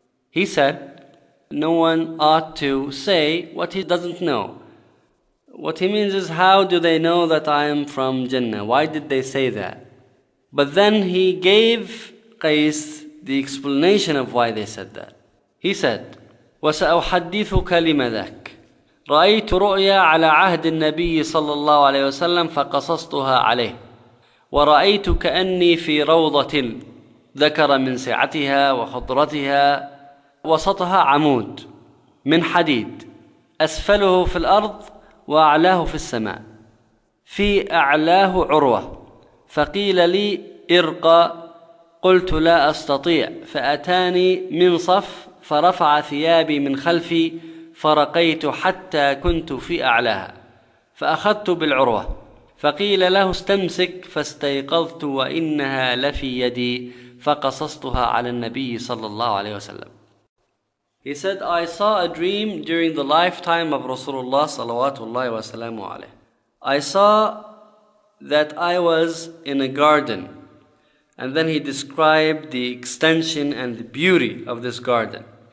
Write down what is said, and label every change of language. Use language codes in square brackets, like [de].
[en] He said, no one ought to say what he doesn't know. What he means is, how do they know that I am from Jannah? Why did they say that? But then he gave Qais the explanation of why they said that. He said, [ar] وَسَأُحَدِّثُكَ لِمَذَكَ رَأَيْتُ رُؤْيَا عَلَىٰ عَهْدِ النَّبِيِّ صَلَّى اللَّهُ عَلَيْهِ وَسَلَّمْ فَقَصَصْتُهَا عَلَيْهِ وَرَأَيْتُ كَأَنِّي فِي رَوْضَةٍ ذَكَرَ مِنْ سِعَتِهَا وَخُضْرَتِهَا وَسَطَهَا عَمُودٌ مِنْ حَدِيدٍ أَسْفَلُهُ فِي الْأَرْضِ وأعلاه في السماء في أعلاه عروة فقيل لي إرقى قلت لا أستطيع فأتاني من صف فرفع ثيابي من خلفي فرقيت حتى كنت في أعلاها فأخذت بالعروة فقيل له استمسك فاستيقظت وإنها لفي يدي فقصصتها على النبي صلى الله عليه وسلم. [en] He said, I saw a dream during the lifetime of Rasulullah [ar] salawatullahi wa salamu alayhi. [en] I saw that I was in a garden. And then he described the extension and the beauty of this garden.